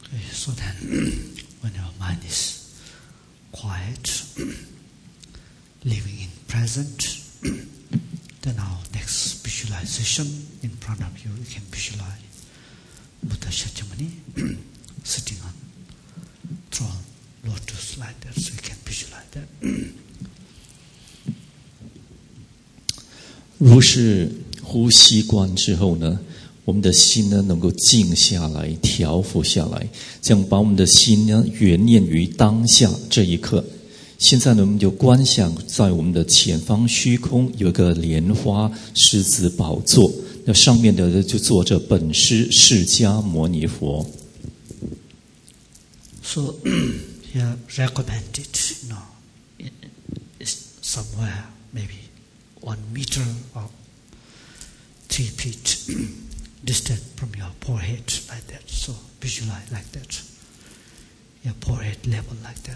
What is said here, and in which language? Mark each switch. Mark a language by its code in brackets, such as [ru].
[en] So then, when your mind is quiet, living in present, then our next visualization in front of you, you can visualize Buddha Shakyamuni sitting on throne, lotus like that, so you can visualize that. [zh] 如是呼吸观之后呢，我们的心呢能够静下来，调伏下来，这样把我们的心呢原念于当下这一刻。现在呢，我们就观想在我们的前方虚空有一个莲花狮子宝座，那上面的就坐着本师释迦牟尼佛。 [en] So he recommended, you know, somewhere maybe 1 meter or 3 feet. Distant from your forehead like that, so visualize like that, your forehead level like that.